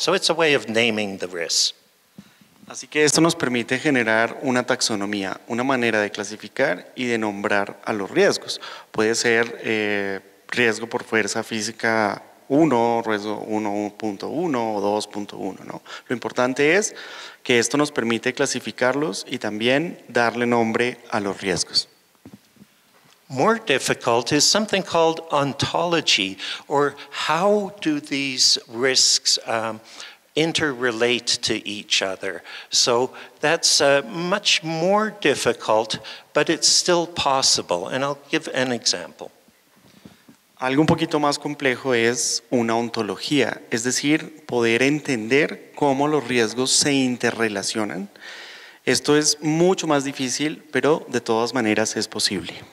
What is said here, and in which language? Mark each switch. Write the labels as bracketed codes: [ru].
[en] So it's a way of naming the risks. [es] Así que esto nos permite generar una taxonomía, una manera de clasificar y de nombrar a los riesgos. Puede ser riesgo por fuerza física 1, riesgo 1.1 o 2.1, ¿no? Lo importante es que esto nos permite clasificarlos y también darle nombre a los riesgos. [en] More difficult is something called ontology, or how do these risks interrelate to each other. So that's much more difficult, but it's still possible. And I'll give an example. [es] Algo un poquito más complejo es una ontología, es decir, poder entender cómo los riesgos se interrelacionan. Esto es mucho más difícil, pero de todas maneras es posible.